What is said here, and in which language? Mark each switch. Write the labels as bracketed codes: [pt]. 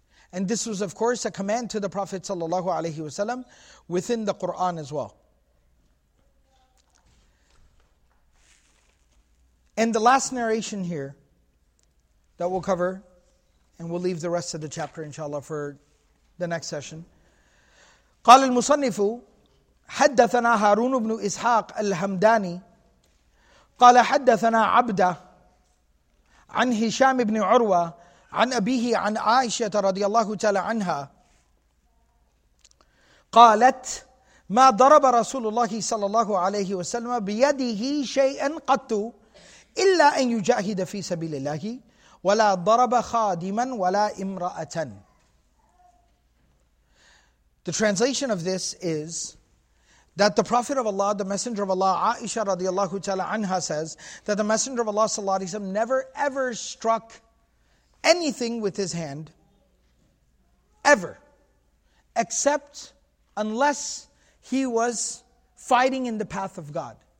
[en] And this was of course a command to the Prophet ﷺ within the Qur'an as well. And the last narration here that we'll cover, and we'll leave the rest of the chapter inshallah for the next session. [ar] قال المصنف حدثنا هارون بن إسحاق الهمداني قال حدثنا عبدة عن هشام بن عروة عن أبيه عن عائشة رضي الله تعالى عنها قالت ما ضرب رسول الله صلى الله عليه وسلم بيده شيئا قط إلا أن يجاهد في سبيل الله ولا ضرب خادما ولا امرأة. [en] The translation of this is that the Prophet of Allah, the Messenger of Allah, Aisha radiallahu ta'ala anha, says that the Messenger of Allah sallallahu alayhi wa sallam never ever struck anything with his hand ever, except unless he was fighting in the path of God.